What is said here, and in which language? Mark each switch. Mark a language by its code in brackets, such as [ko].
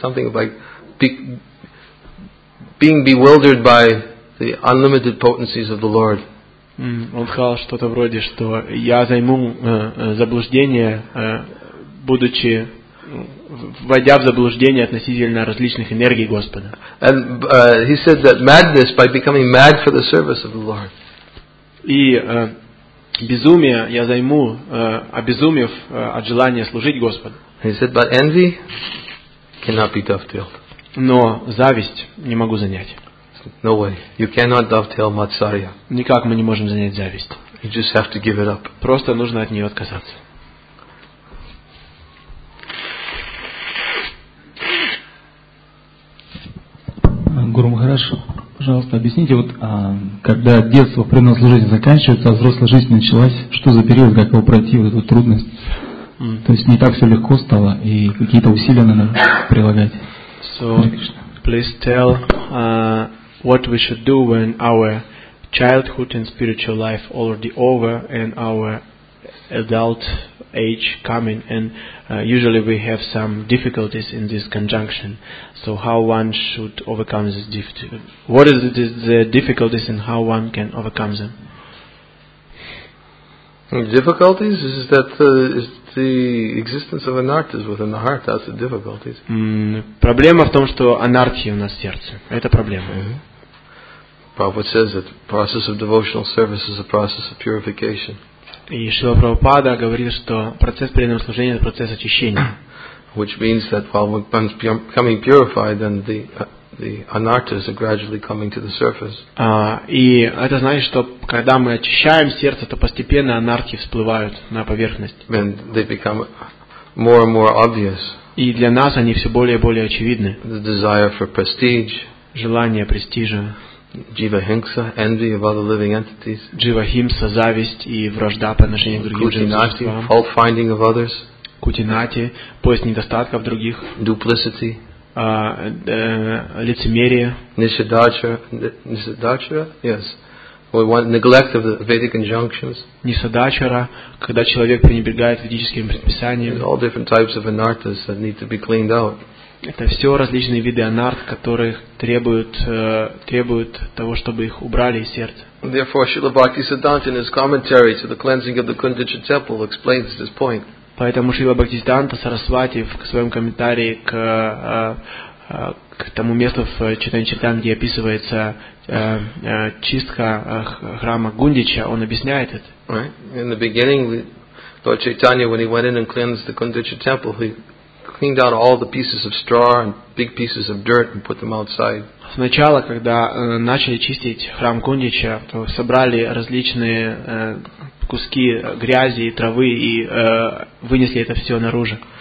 [en] Something like being bewildered by the unlimited potencies of the Lord. [ru] Он сказал что-то вроде, что я займу заблуждение, будучи вводя в заблуждение относительно различных энергий Господа. [en] And he said that madness by becoming mad for the service of the Lord. [ru] И безумие я займу, обезумев от желания служить Господу. [en] He said, but envy cannot be dovetailed. [ru] Но зависть не могу занять. [en] No way. You cannot dovetail matsarya. [ru] Никак мы не можем занять зависть. [en] You just have to give it up. [ru] Просто нужно от нее отказаться. Гуру Махарадж, пожалуйста, объясните, вот когда детство в преданном служении заканчивается, а взрослая жизнь началась, что за период, как его пройти, вот эту трудность? То есть не так все легко стало, и какие-то усилия надо прилагать? [en] So, please tell what we should do when our childhood and spiritual life already over, and our adult age coming, and usually we have some difficulties in this conjunction. So how one should overcome this difficulty? What is the difficulties and how one can overcome them? Difficulties is that is the existence of anarthas within the heart. That's the difficulties. [ru] Проблема в том, что анархия у нас в сердце. Это проблема. [en] Prabhupada says that the process of devotional service is a process of purification. [ru] И Шрила Прабхупада говорит, что процесс преданного служения – это процесс очищения. [en] Which means that while we're becoming purified, then the anarthas are gradually coming to the surface. [ru] И это значит, что когда мы очищаем сердце, то постепенно анархи всплывают на поверхность. [en] And they become more and more obvious. [ru] И для нас они все более и более очевидны. [en] The desire for prestige. [ru] Желание престижа. [en] Jiva Himsa, envy of other living entities. [ru] Jiva Himsa, зависть и вражда по отношению к другим существам. [en] Fault finding of others. [ru] Кутинати, поиск недостатков других. [en] Duplicity. [ru] Лицемерие. [en] Nisadachara, yes. Well, one, neglect of the Vedic injunctions. [ru] Nisadachara, когда человек пренебрегает ведическим предписанием. [en] There's all different types of anarthas that need to be cleaned out. [ru] Это все различные виды анарт, которые требуют того, чтобы их убрали из сердца. [en] Therefore, Srila Bhaktisiddhanta in his commentary to the cleansing of the Kundicha temple explains this point. [ru] Поэтому Шрила Бхактисиддханта Сарасвати в своем комментарии к тому месту в Чайтанья-чаритамрите, где описывается чистка храма Гундича, он объясняет это. [en] Right. In the beginning, Lord Chaitanya, when he went in and cleansed the Kundicha temple, he cleaned out all the pieces of straw and big pieces of dirt and put them outside. [ru] Сначала, когда начали чистить храм Кундича, то собрали различные куски грязи и травы и вынесли это все наружу.